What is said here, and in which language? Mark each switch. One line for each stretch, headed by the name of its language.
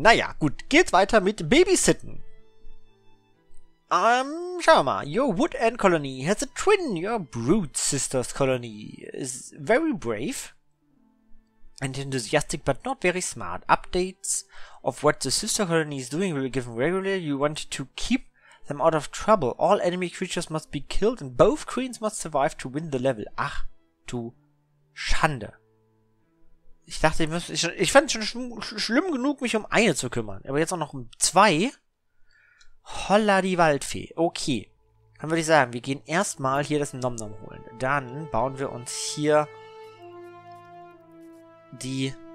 German: Naja, gut, geht's weiter mit Babysitten. Schauen wir mal.
English: Your Wood Ant Colony has a twin. Your Brute Sisters Colony is very brave and enthusiastic, but not very smart. Updates of what the sister colony is doing will be given regularly. You want to keep them out of trouble. All enemy creatures must be killed and both queens must survive to win the level.
German: Ach, du Schande. Ich dachte, ich fand es schon schlimm genug, mich um eine zu kümmern. Aber jetzt auch noch um zwei. Holla die Waldfee. Okay. Dann würde ich sagen, wir gehen erstmal hier das Nomnom holen. Dann bauen wir uns hier die...